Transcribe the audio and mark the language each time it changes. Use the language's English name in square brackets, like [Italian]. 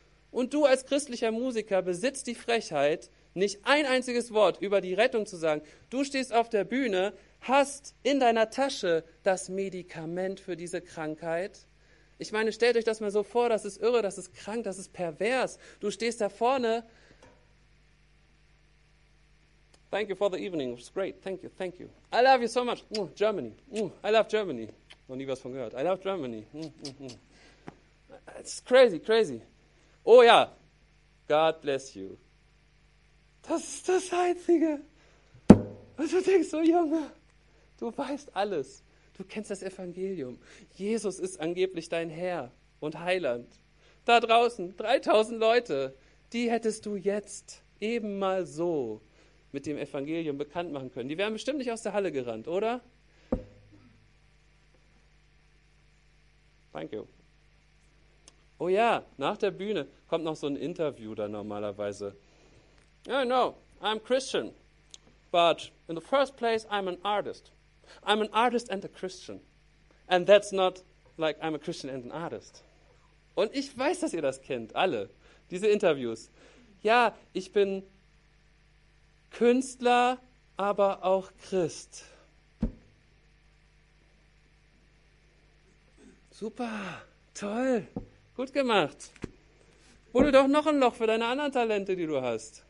[German] Und du als christlicher Musiker besitzt die Frechheit, nicht ein einziges Wort über die Rettung zu sagen. Du stehst auf der Bühne, hast in deiner Tasche das Medikament für diese Krankheit. Ich meine, stellt euch das mal so vor, das ist irre, das ist krank, das ist pervers. Du stehst da vorne. [English] Thank you for the evening, it was great, thank you. I love you so much, Germany. I love Germany. [German] Noch nie was von gehört. [English] I love Germany. It's crazy, crazy. [German] Oh ja, [English] God bless you. [German] Das ist das Einzige. Und du denkst so, Junge, du weißt alles. Du kennst das Evangelium. Jesus ist angeblich dein Herr und Heiland. Da draußen, 3000 Leute, die hättest du jetzt eben mal so mit dem Evangelium bekannt machen können. Die wären bestimmt nicht aus der Halle gerannt, oder? [English] Thank you. [German] Oh ja, nach der Bühne kommt noch so ein Interview da normalerweise. [English] Yeah, no, I'm Christian, but in the first place I'm an artist. I'm an artist and a Christian. And that's not like I'm a Christian and an artist. [German] Und ich weiß, dass ihr das kennt, alle, diese Interviews. Ja, ich bin Künstler, aber auch Christ. Super, toll, gut gemacht. Hol doch noch ein Loch für deine anderen Talente, die du hast.